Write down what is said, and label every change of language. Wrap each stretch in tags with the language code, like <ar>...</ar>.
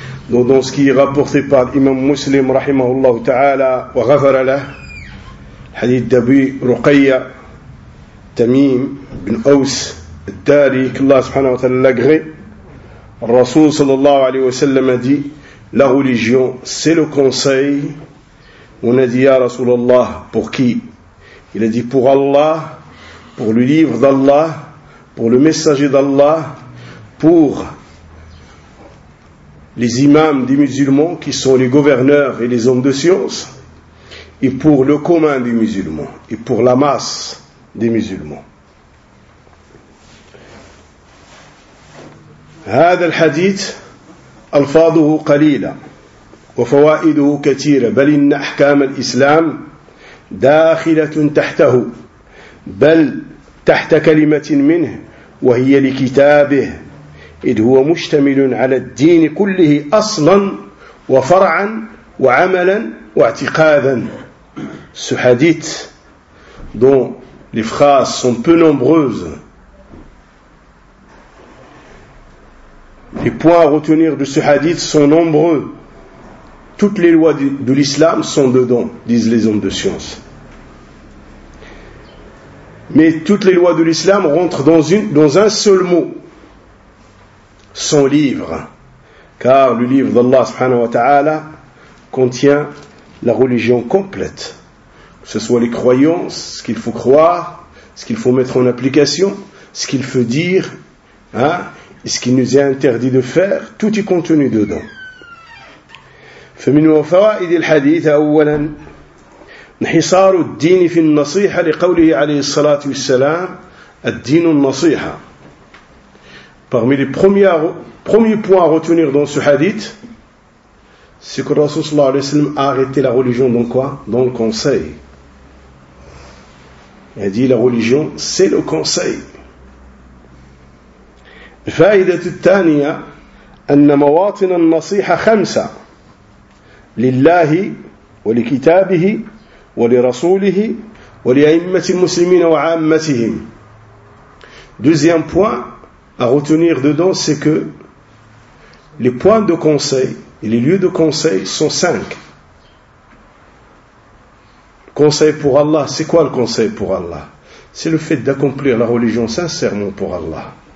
<fr>Donc, ce qui est rapporté par l'imam Muslim</fr> <ar>رحمه الله تعالى وغفر له، حديث أبي رقية تميم بن أوس الداري que الله سبحانه وتعالى</ar> <fr>l'agré،</fr> <ar>الرسول صلى الله عليه وسلم</ar> <fr>dit: la religion c'est le conseil. On a dit:</fr> <ar>يا رسول الله،</ar> <fr>pour qui؟ Il a dit: pour Allah, pour le livre d'Allah, pour le messager d'Allah, pour les imams des musulmans qui sont les gouverneurs et les hommes de science, et pour le commun des musulmans et pour la masse des musulmans.</fr> <ar>هذا الحديث ألفاظه قليلة وفوائده كثيرة، بل إن أحكام الإسلام داخلة تحته، بل تحت كلمة منه وهي لكتابه، إذ هو مشتمل على الدين كله أصلا وفرعا وعملا واعتقادا.</ar> <fr>Ce hadith dont les phrases sont peu nombreuses, les points à retenir de ce hadith sont nombreux. Toutes les lois de l'islam sont dedans, disent les hommes de science. Mais toutes les lois de l'islam rentrent dans un seul mot, son livre. Car le livre d'Allah subhanahu wa ta'ala contient la religion complète. Que ce soit les croyances, ce qu'il faut croire, ce qu'il faut mettre en application, ce qu'il faut dire, hein, et ce qui nous est interdit de faire, tout est contenu dedans.</fr> <ar>فمن فوائد الحديث أولا انحصار الدين في النصيحة لقوله عليه الصلاة والسلام الدين النصيحة.</ar> <fr>Parmi les premiers points à retenir dans ce hadith, c'est que Rasoul sallallahu alayhi wa sallam a arrêté la religion dans quoi? Dans le conseil. Il a dit: la religion c'est le conseil.</fr> <ar>الفائدة الثانية أن مواطن النصيحة خمسة: لله ولكتابه ولرسوله ولأئمة المسلمين وعامتهم.</ar> <fr>Deuxième point à retenir dedans, c'est que les points de conseil et les lieux de conseil sont cinq. Conseil pour Allah, c'est quoi le conseil pour Allah? C'est le fait d'accomplir la religion sincèrement pour Allah.</fr>